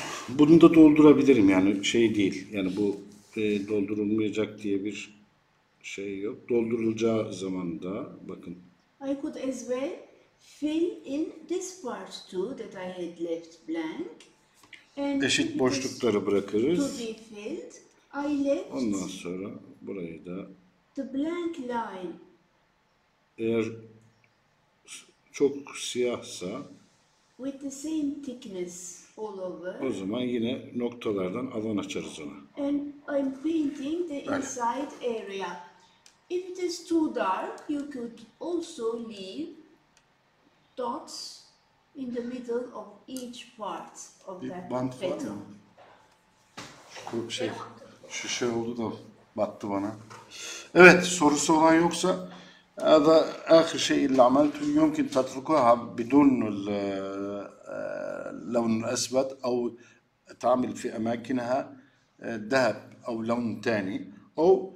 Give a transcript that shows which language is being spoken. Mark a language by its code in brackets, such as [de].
[tr] bunu da doldurabilirim yani şey değil. Yani bu doldurulmayacak diye bir şey yok. Doldurulacağı zaman da bakın. [en] I could as well fill in this part too that I had left blank. And [tr] eşit boşlukları bırakırız. [en] To be filled, I left. [tr] Ondan sonra burayı da [en] the blank line. [tr] Eğer çok siyahsa [en] with the same thickness all over. [tr] O zaman yine noktalardan alan açarız ona. [en] And I'm painting the inside area. If it is too dark, you could also leave dots in the middle of each part of [tr] bir [en] that [tr] bant [en] petal. [tr] Şu şey, şu şey oldu da battı bana. Evet, sorusu olan yoksa [ar] هذا آخر شيء اللي عملته يمكن تتركها بدون اللون الأسود أو تعمل في أماكنها ذهب أو لون ثاني أو